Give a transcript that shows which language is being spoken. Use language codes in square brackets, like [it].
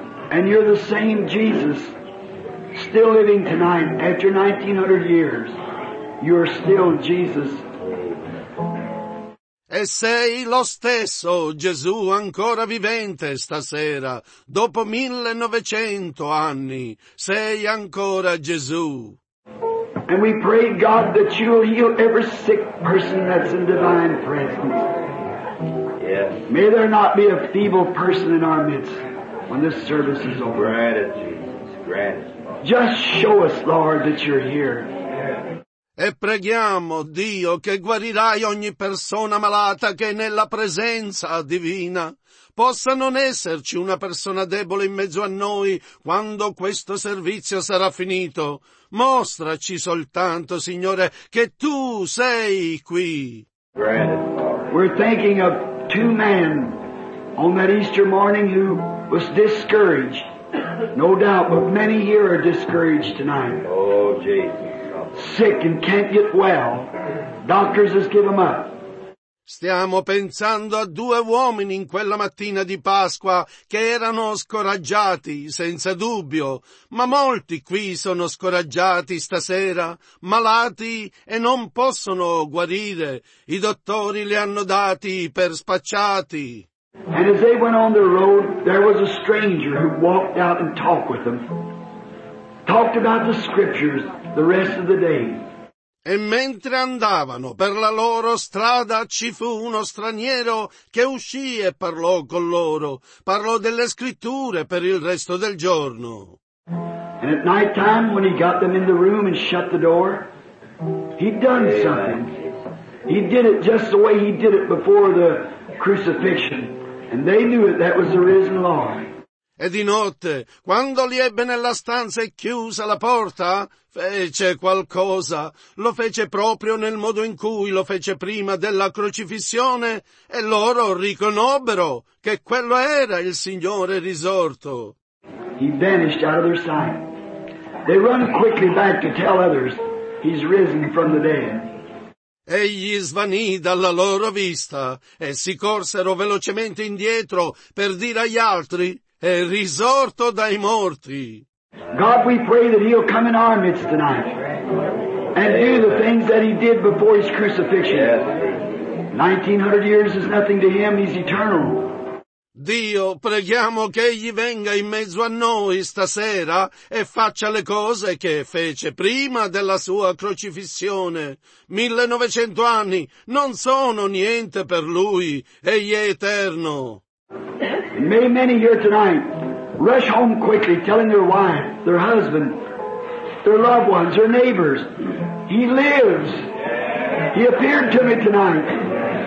[en] And you're the same Jesus, still living tonight, after 1900 years. You're still Jesus. [it] E sei lo stesso Gesù ancora vivente stasera, dopo 1900 anni, sei ancora Gesù. [en] And we pray, God, that you will heal every sick person that's in divine presence. Yes. May there not be a feeble person in our midst when this service is over. Gratitude. Just show us, Lord, that you're here. [it] E preghiamo, Dio, che guarirai ogni persona malata che è nella presenza divina. Possa non esserci una persona debole in mezzo a noi quando questo servizio sarà finito. Mostraci soltanto, Signore, che Tu sei qui. [en] We're thinking of two men on that Easter morning who was discouraged. No doubt, but many here are discouraged tonight. Oh, Jesus. Sick and can't get well. Doctors has given them up. [it] Stiamo pensando a due uomini in quella mattina di Pasqua che erano scoraggiati, senza dubbio, ma molti qui sono scoraggiati stasera, malati e non possono guarire. I dottori li hanno dati per spacciati. [en] And as they went on the road, there was a stranger who walked out and talked with them. Talked about the scriptures. The rest of the day. [it] E mentre andavano per la loro strada ci fu uno straniero che uscì e parlò con loro. Parlò delle scritture per il resto del giorno. [en] And at night time when he got them in the room and shut the door, he'd done something. He did it just the way he did it before the crucifixion. And they knew it, that was the risen Lord. [it] E di notte, quando li ebbe nella stanza e chiusa la porta, fece qualcosa, lo fece proprio nel modo in cui lo fece prima della crocifissione, e loro riconobbero che quello era il Signore risorto. [en] He vanished out of their sight. They run quickly back to tell others he's risen from the dead. [it] Egli svanì dalla loro vista, e si corsero velocemente indietro per dire agli altri: è risorto dai morti. [en] God, we pray that he'll come in our midst tonight and do the things that he did before his crucifixion. 1900 years is nothing to him, he's eternal. [it] Dio, preghiamo che egli venga in mezzo a noi stasera e faccia le cose che fece prima della sua crocifissione. 1900 anni non sono niente per lui, egli è eterno. [en] May many here tonight rush home quickly, telling their wife, their husband, their loved ones, their neighbors, he lives. He appeared to me tonight.